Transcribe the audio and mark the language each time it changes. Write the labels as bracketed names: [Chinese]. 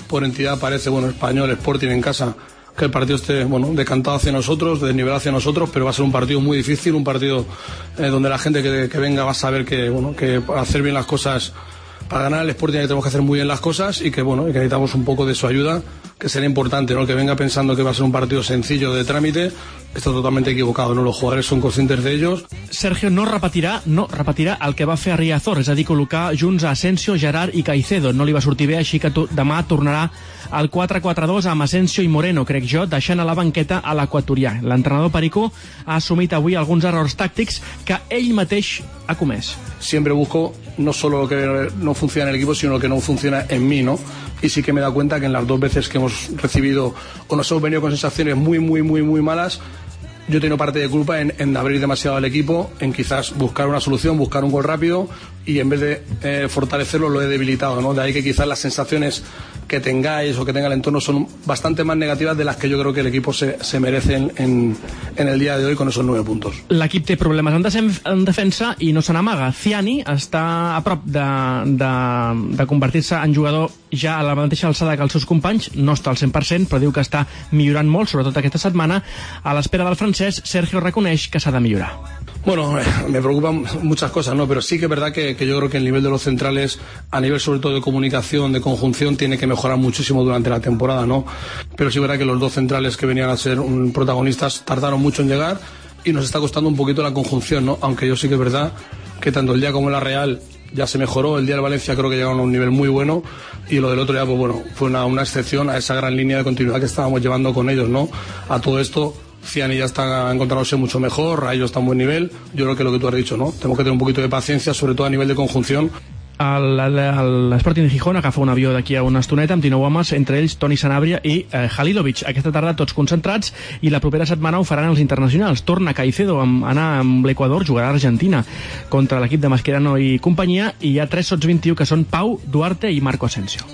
[Spanish] Por entidad parece, bueno, Español, Sporting en casa, que el partido esté, bueno, decantado hacia nosotros, de desnivelado hacia nosotros, pero va a ser un partido muy difícil, un partido donde la gente que venga va a saber que, bueno, que para hacer bien las cosas, para ganar el Sporting tenemos que hacer muy bien las cosas y que, bueno, y que necesitamos un poco de su ayuda, que sería importante, ¿no? El que venga pensando que va a ser un partido sencillo de trámite está totalmente equivocado, ¿no? Los jugadores son conscientes de ellos. [Catalan] Sergio no repetirà, no repetirà el que va fer a Riazor, és a dir, col·locar junts a Asensio, Gerard i Caicedo. No li va sortir bé, així que demà tornarà al 4-4-2 amb Asensio i Moreno, crec jo, deixant a la banqueta a l'equatorià. L'entrenador Perico ha assumit avui alguns errors tàctics que ell mateix ha comès. [Spanish] Siempre busco no solo lo que no funciona en el equipo, sino lo que no funciona en mí, ¿no? Y sí que me he dado cuenta que en las dos veces que hemos recibido o nos hemos venido con sensaciones muy, muy, muy, muy malas, yo he tenido parte de culpa en abrir demasiado al equipo, en quizás buscar una solución, buscar un gol rápido, y en vez de fortalecerlo lo he debilitado, ¿no? De ahí que quizás las sensaciones que tengáis o que tenga el entorno son bastante más negativas de las que yo creo que el equipo se merece en el día de hoy con esos 9 puntos. [Catalan] L'equip té problemes en defensa i no se n'amaga. Ciani està a prop de convertir-se en jugador ja a la mateixa alçada que els seus companys, no està al 100%, però diu que està millorant molt, sobretot aquesta setmana. A l'espera del francès, Sergio reconeix que s'ha de millorar. [Spanish] Bueno, me preocupan muchas cosas, ¿no? Pero sí que es verdad que yo creo que el nivel de los centrales, a nivel sobre todo de comunicación, de conjunción, tiene que mejorar muchísimo durante la temporada, ¿no? Pero sí es verdad que los dos centrales que venían a ser protagonistas tardaron mucho en llegar y nos está costando un poquito la conjunción, ¿no? Aunque yo sí que es verdad que tanto el día como la Real ya se mejoró, el día de Valencia creo que llegaron a un nivel muy bueno y lo del otro día, pues bueno, fue una excepción a esa gran línea de continuidad que estábamos llevando con ellos, ¿no? A todo esto, Ciani ya está encontrándose mucho mejor, Rayo está en buen nivel. Yo creo que lo que tú has dicho, ¿no? Tenemos que tener un poquito de paciencia, sobre todo a nivel de conjunción. [Catalan] L'Sporting de Gijón agafa un avió d'aquí a una estoneta amb 19 homes, entre ells Toni Sanabria i Halilovic. Aquesta tarda tots concentrats i la propera setmana ho faran els internacionals. Torna Caicedo a anar amb l'Equador, jugarà a Argentina contra l'equip de Mascherano i companyia, i hi ha 3 sots 21 que són Pau, Duarte i Marco Asensio.